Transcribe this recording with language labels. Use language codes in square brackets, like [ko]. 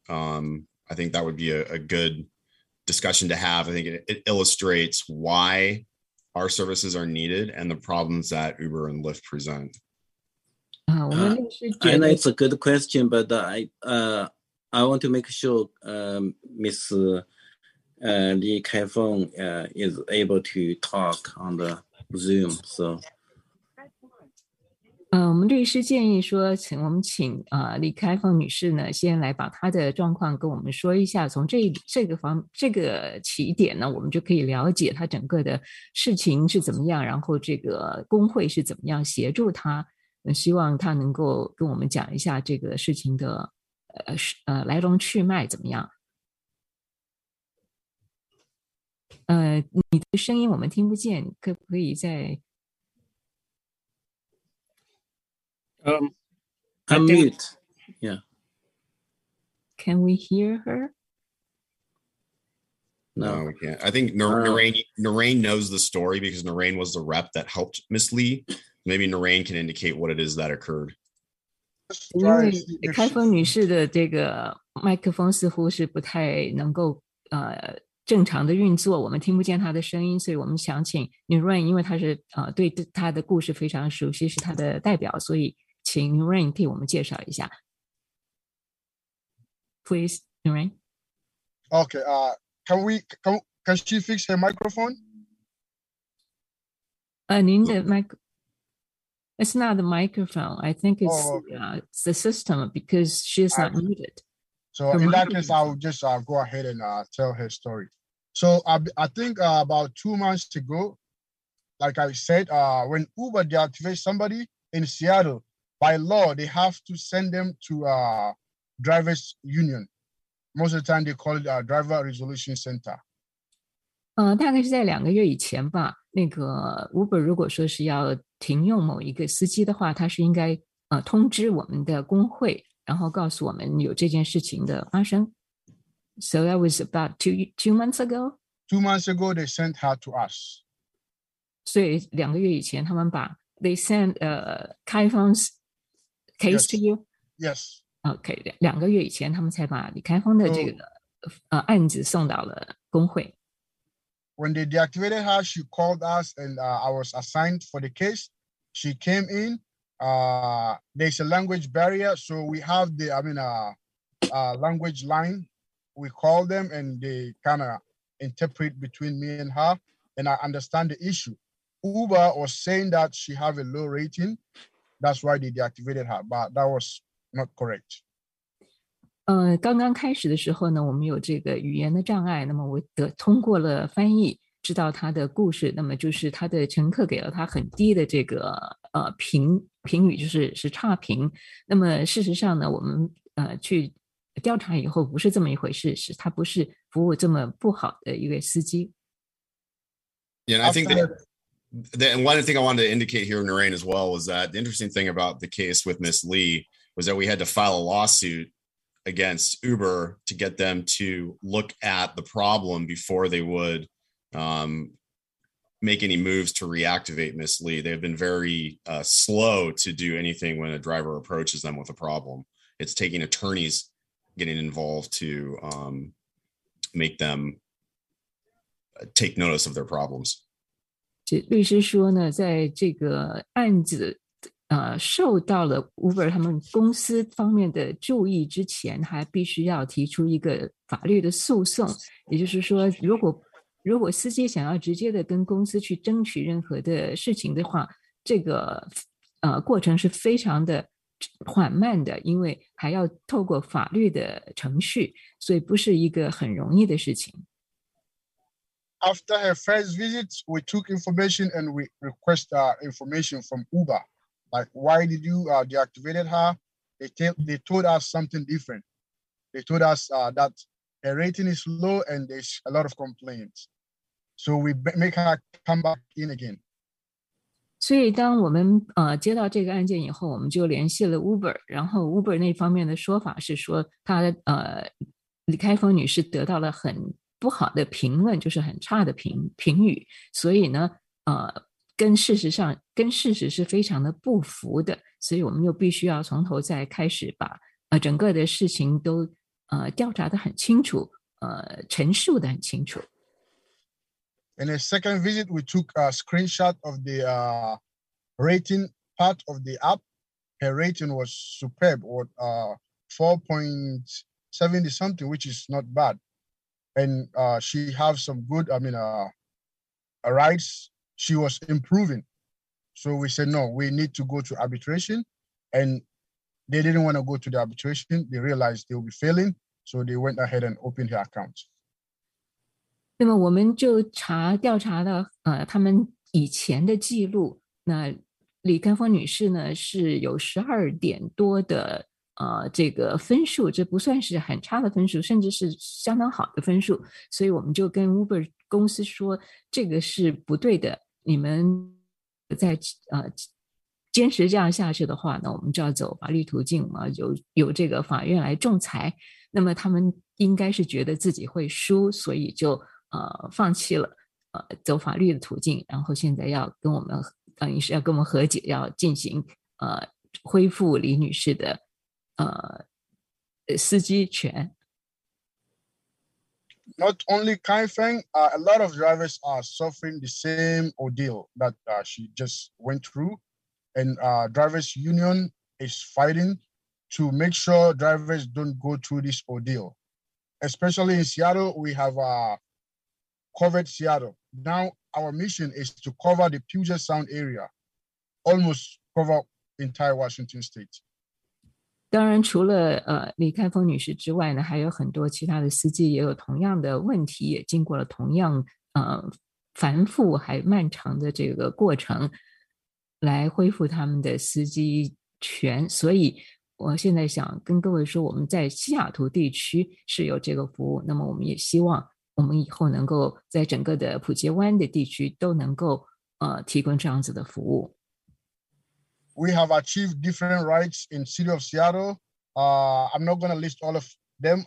[en] I think that would be a good discussion to have. I think it illustrates why our services are needed and the problems that Uber and Lyft present. I know it's a good question, but I want to make sure Ms. Lee Kaifeng is able to talk on the Zoom. So, [zh] 我们律师建议说，请我们请李开凤女士呢，先来把她的状况跟我们说一下。从这个起点呢，我们就可以了解她整个的事情是怎么样，然后这个工会是怎么样协助她。希望她能够跟我们讲一下这个事情的来龙去脉怎么样。你的声音我们听不见，可不可以再？ [en] I'm mute. Yeah. Can we hear her? No, we can't. I think Noreen knows the story because Noreen was the rep that helped Ms. Lee. Maybe Noreen can indicate what it is that occurred. [zh] 因为开封女士的这个麦克风似乎是不太能够正常的运作，我们听不见她的声音，所以我们想请 Noreen， 因为她是对她的故事非常熟悉，是她的代表，所以。请 Noreen 替我们介绍一下 ， [en] please Noreen。 Okay, can she fix her microphone? [zh] 您的 [en] It's not the microphone. I think it's the system because she's not muted. So in that case, I will just go ahead and tell her story. So I think about 2 months ago, like I said, when Uber deactivates somebody in Seattle. By law, they have to send them to a driver's union. Most of the time, they call it a driver resolution center. [zh] 大概是在两个月以前吧。那个 Uber 如果说是要停用某一个司机的话，他是应该通知我们的工会，然后告诉我们有这件事情的发生。 [en] So that was about two months ago. 2 months ago, they sent her to us. [zh] 所以两个月以前，他们把 [en] they sent Kaifeng's case yes. to you? Yes. [zh] Okay, 两个月以前他们才把李开峰的这个、案子送到了工会。 [en] When they deactivated her, she called us and I was assigned for the case. She came in. There's a language barrier, so we have the, language line. We call them and they kind of interpret between me and her. And I understand the issue. Uber was saying that she have a low rating. That's why they deactivated her, but that was not correct. [zh] 刚刚开始的时候呢，我们有这个语言的障碍。那么我通过了翻译，知道他的故事。那么就是他的乘客给了他很低的这个评语，就是差评。那么事实上呢，我们去调查以后，不是这么一回事，是他不是服务这么不好的一位司机。 [en] Yeah, I think that. And one thing I wanted to indicate here, Noreen, as well, was that the interesting thing about the case with Ms. Lee was that we had to file a lawsuit against Uber to get them to look at the problem before they would make any moves to reactivate Ms. Lee. They have been very slow to do anything when a driver approaches them with a problem. It's taking attorneys getting involved to make them take notice of their problems. [zh] 律师说呢，在这个案子受到了 Uber 他们公司方面的注意之前，还必须要提出一个法律的诉讼。也就是说，如果司机想要直接的跟公司去争取任何的事情的话，这个过程是非常的缓慢的，因为还要透过法律的程序，所以不是一个很容易的事情。 [en] After her first visit, we took information and we request information from Uber. Like, why did you deactivate her? They told us something different. They told us that her rating is low and there's a lot of complaints. So we make her come back in again. [zh] 所以当我们接到这个案件以后，我们就联系了 Uber， 然后 Uber 那方面的说法是说她李开峰女士得到了很不好的评论，就是很差的评语，所以呢跟事实是非常的不符的，所以我们又必须要从头再开始把整个的事情都调查得很清楚，陈述得很清楚。 [en] In a second visit, we took a screenshot of the rating part of the app. Her rating was superb, or 4.70 something, which is not bad. And she has some good, rights. She was improving. So we said, no, we need to go to arbitration. And they didn't want to go to the arbitration. They realized they'll be failing. So they went ahead and opened her account. [zh] 那么我们就调查了他们以前的记录。那李开峰女士呢是有12点多的这个分数，这不算是很差的分数，甚至是相当好的分数，所以我们就跟 Uber 公司说这个是不对的，你们再坚持这样下去的话呢，我们就要走法律途径了，由这个法院来仲裁。那么他们应该是觉得自己会输，所以就放弃了走法律的途径，然后现在要跟我们等于是要跟我们和解，要进行恢复李女士的司机权。 [en] Not only Kaifeng, a lot of drivers are suffering the same ordeal that she just went through, and drivers union is fighting to make sure drivers don't go through this ordeal. Especially in Seattle, we have covered Seattle. Now our mission is to cover the Puget Sound area, almost cover entire Washington State. [zh] 当然除了李开峰女士之外呢，还有很多其他的司机也有同样的问题，也经过了同样繁复还漫长的这个过程来恢复他们的司机权。所以我现在想跟各位说，我们在西雅图地区是有这个服务，那么我们也希望我们以后能够在整个的普杰湾的地区都能够提供这样子的服务。 [en] We have achieved different rights in the city of Seattle. I'm not going to list all of them.